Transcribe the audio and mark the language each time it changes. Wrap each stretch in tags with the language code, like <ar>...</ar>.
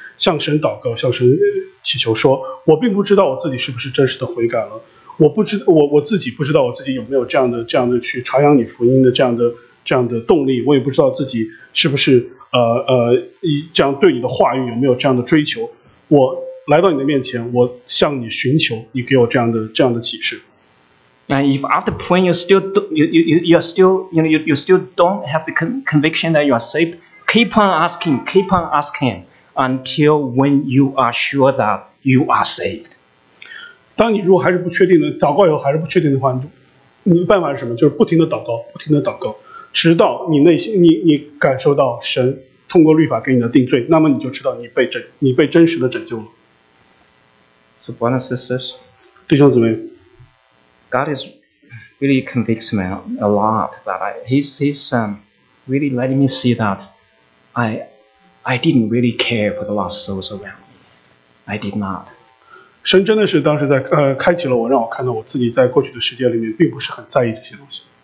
<zh>向神祷告，向神祈求说，我并不知道我自己是不是真实的悔改了，我自己不知道我自己有没有这样的去传扬你福音的这样的动力，我也不知道自己是不是这样对你的话语有没有这样的追求。我来到你的面前，我向你寻求，你给我这样的启示。</zh> <en>And if after praying you still don't have the conviction that you are saved, keep on asking. Until when you are sure that you are saved.</en> <zh>当你如果还是不确定的，祷告以后还是不确定的话，你的办法是什么？就是不停地祷告，直到你内心你感受到神通过律法给你的定罪，那么你就知道你被真实的拯救了。</zh> <en>So brothers and sisters,</en> <zh>弟兄姊妹</zh> <en>，God is really convicts me a lot, but He's really letting me see that I didn't really care for the lost souls around me. I did not.</en> <zh>神真的是当时在开启了我，让我看到我自己在过去的世界里面并不是很在意这些东西。</zh>